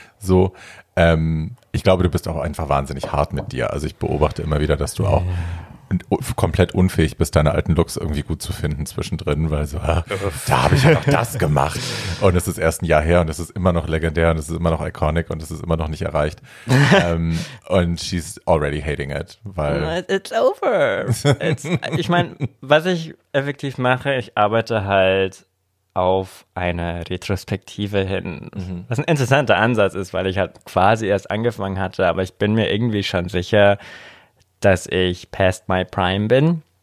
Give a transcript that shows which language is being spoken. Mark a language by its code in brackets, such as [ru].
[de] So, ich glaube, du bist auch einfach wahnsinnig hart mit dir. Also ich beobachte immer wieder, dass du auch komplett unfähig bist, deine alten Looks irgendwie gut zu finden zwischendrin, weil so, da habe ich ja noch das gemacht. Und es ist erst ein Jahr her und es ist immer noch legendär und es ist immer noch iconic und es ist immer noch nicht erreicht. [en] Und she's already hating it, weil... It's over. [de] Ich meine, was ich effektiv mache, ich arbeite halt auf eine Retrospektive hin. Mhm. Was ein interessanter Ansatz ist, weil ich halt quasi erst angefangen hatte, aber ich bin mir irgendwie schon sicher, dass ich [en] past my prime [de] bin.